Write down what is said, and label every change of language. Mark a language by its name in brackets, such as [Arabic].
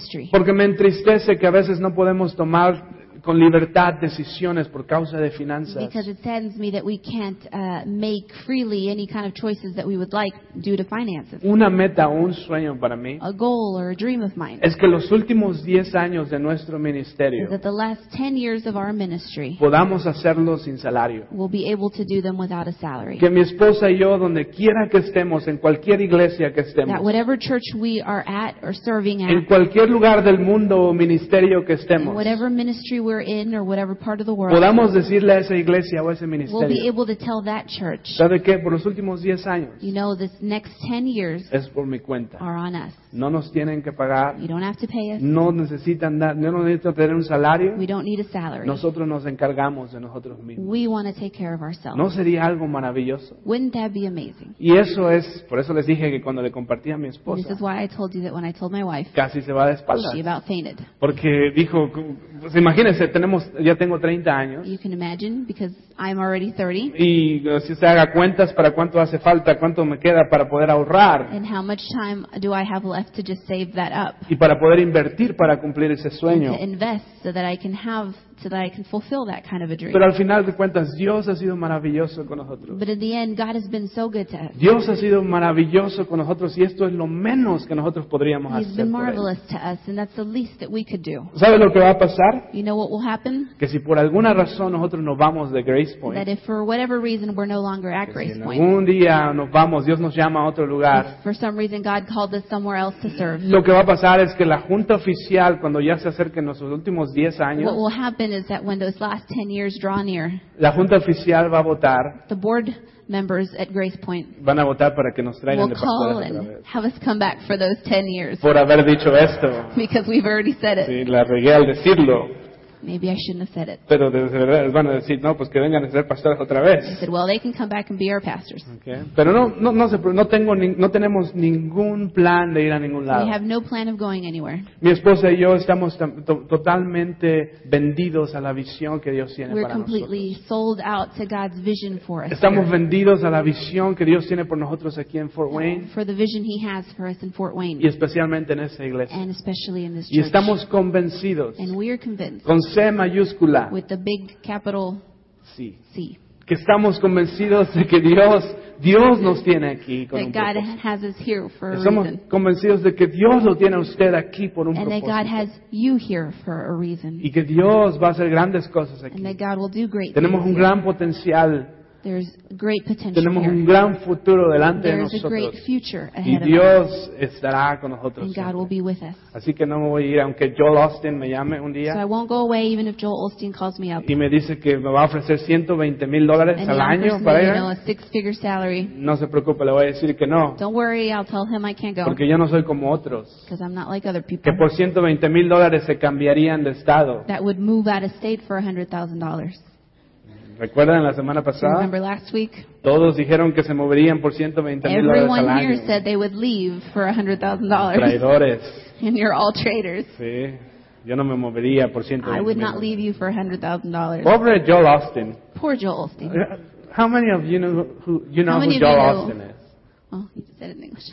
[Spanish] Porque me entristece que a veces no podemos tomar con libertad decisiones por causa de finanzas. [English] Because it saddens me that we can't make freely any kind of choices that we would like due to finances. [Spanish] Una meta o un sueño para mí. [English] A goal or a dream of mine. [Spanish] Es que los últimos 10 años de nuestro ministerio. [English] That the last 10 years of our ministry. [Spanish] Podamos hacerlo sin salario. [English] We'll be able to do them without a salary. [Spanish] Que mi esposa y yo donde quiera que estemos en cualquier iglesia que estemos. [English] That whatever church we are at or serving at. [Spanish] En cualquier lugar del mundo o ministerio que estemos. [English] In whatever ministry we're in or whatever part of the world. [Spanish] Podamos decirle a esa iglesia o a ese ministerio. [English] We'll be able to tell that church. [Spanish] ¿Sabe qué? Por los últimos 10 años. [English] You know, this next 10 years. [Spanish] Es por mi cuenta. [English] Are on us. [Spanish] No nos tienen que pagar. [English] You don't have to pay us. [Spanish] No necesitan dar, no necesitan tener un salario. [English] We don't need a salary. [Spanish] Nosotros nos encargamos de nosotros mismos. [English] We want to take care of ourselves. [Spanish] ¿No sería algo maravilloso? [English] Wouldn't that be amazing? [Spanish] Y eso es, por eso les dije que cuando le compartí a mi esposa. [English] This is why I told you that when I told my wife. [Spanish] Casi se va de espaldas. [English] She about fainted. [Spanish] Porque dijo, pues imagínense. Ya tengo 30 años. [English] You can imagine because I'm already 30. [Spanish] Y si se haga cuentas para cuánto hace falta, cuánto me queda para poder ahorrar. [English] And how much time do I have left to just save that up? [Spanish] Y para poder invertir para cumplir ese sueño. [English] And to invest so that I can have, so that I can fulfill that kind of a dream. [Spanish] Pero al final de cuentas, Dios ha sido maravilloso con nosotros. [English] But in the end, God has been so good to us. [Spanish] Dios ha sido maravilloso con nosotros y esto es lo menos que nosotros podríamos [English] He's [Spanish] hacer. [English] He's been marvelous to us, and that's the least that we could do. [Spanish] ¿Sabe lo que va a pasar? [English] You know what will happen? [Spanish] Que si por alguna razón nosotros nos vamos de Grace Point. [English] That if for whatever reason we're no longer at Grace [Spanish] si en [English] Point. [Spanish] Un día nos vamos, Dios nos llama a otro lugar. [English] If for some reason God called us somewhere else to serve. [Spanish] Lo que va a pasar es que la junta oficial cuando ya se acerquen nuestros últimos 10 años. [English] What will happen is that when those last 10 years draw near, [Spanish] la junta oficial va a votar, [English] the board members at Grace Point [Spanish] van a votar para que nos traigan [English] will call [Spanish] de [English] and have us come back for those 10 years [Spanish] por haber dicho esto. [English] Because we've already said it. [Spanish] Sí, la regué al decirlo. [English] Maybe I shouldn't have said it. [Spanish] Pero de verdad van a decir, no, pues que vengan a ser pastores otra vez. [English] I said, well, they can come back and be our pastors. Okay. [Spanish] Pero no tenemos ningún plan de ir a ningún lado. [English] We have no plan of going anywhere. [Spanish] Mi esposa y yo estamos totalmente vendidos a la visión que Dios tiene para nosotros. [English] We're completely sold out to God's vision for us. [Spanish] Estamos vendidos a la visión que Dios tiene por nosotros aquí en Fort Wayne. [English] For the vision He has for us in Fort Wayne. [Spanish] Y especialmente en esta iglesia. [English] And especially in this [Spanish] church. Y estamos convencidos. [English] And we are convinced. [Spanish] C mayúscula. [English] With the big capital C. C. [Spanish] Que estamos convencidos de que Dios nos tiene aquí con un propósito. [English] That God has us here for a reason. [Spanish] Estamos convencidos de que Dios lo tiene usted aquí por un propósito. [English] And that God has you here for a reason. [Spanish] Y que Dios va a hacer grandes cosas aquí. [English] And that God will do great [Spanish] Tenemos un gran potencial. [English] There's great potential. [Spanish] Tenemos un gran futuro delante [English] There's [Spanish] de nosotros. [English] A great future ahead [Spanish] y Dios [English] of us. [Spanish] Estará con nosotros. [English] And God will be with us. [Spanish] Así que no me voy a ir aunque Joel Osteen me llame un día. [English] So I won't go away even if Joel Osteen calls me up. [Spanish] Y me dice que me va a ofrecer $120,000 al año para ir. [English] You know, a six-figure salary. [Spanish] No se preocupe, le voy a decir que no. [English] Don't worry, I'll tell him I can't go. [Spanish] Porque yo no soy como otros. [English] Because I'm not like other people. [Spanish] Que por $120,000 se cambiarían de estado. [English] That would move out of state for $100,000. [Spanish] ¿Recuerdan la semana pasada? [English] Remember last week? [Spanish] Todos dijeron que se moverían por $120,000 al año. [English] Everyone here said they would leave for $100,000. [Spanish] Traidores. [English] And you're all traitors. [Spanish] Sí. Yo no me movería por $120,000. [English] I would not leave you for $100,000. [Spanish] Pobre Joel Osteen. [English] Poor Joel Osteen. How many of you know who Joel Osteen is? Oh, he said it in English.